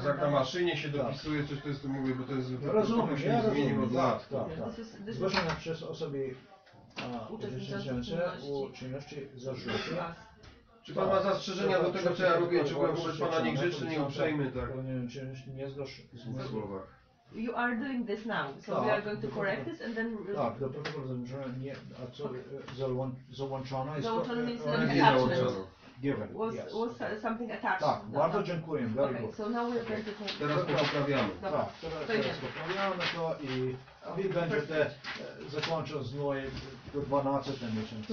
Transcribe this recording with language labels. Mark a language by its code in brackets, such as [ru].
[pl] Tak na maszynie się dopisuje coś, to jest to mówię, bo to jest... Ja rozumiem, się ja rozumiem. Zmieni, tak. Zgłoszone przez osoby uczestniczące u czynności zarzuty. Czy pan ma zastrzeżenia do tego, co ja robię? Czy byłem wobec pana niegrzeczny, nie uprzejmy, tak? Nie wiem, czy nie zgłoszę. [en] You are doing this now, so we are going to correct this and then... [pl] Tak, do protokołu załączone, nie, a co, załączone jest... [en] Załączone means an attachment. Given, was, yes. Was something attached. [pl] Tak, no, bardzo dziękuję, very [en] okay, good. So now we are going to... Okay. [pl] Teraz poprawiamy. Teraz poprawiamy to i wy będziecie zakończyć z mojej do 12 miesięcy.